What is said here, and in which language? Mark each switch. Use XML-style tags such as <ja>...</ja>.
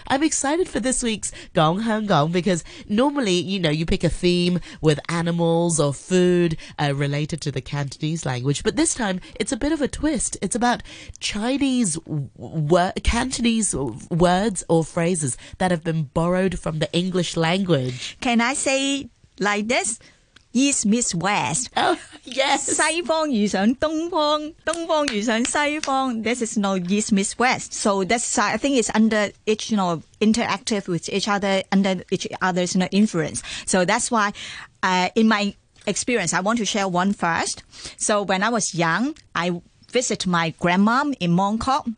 <en>I'm excited for this week's Gong Hong Gong because normally, you know, you pick a theme with animals or food related to the Cantonese language. But this time, it's a bit of a twist. It's about Chinese Cantonese words or phrases that have been borrowed from the English language. Can I say like this? East meets West. Oh, yes.</en> <zh>西方遇上东方, 东方遇上西方.</zh> <en>This is no East meets West. So that's, I think it's under each, you know, interactive with each other, under each other's, you know, influence. So that's why in my experience, I want to share one first. So when I was young, I visit my grandmom in Mong Kok.</en>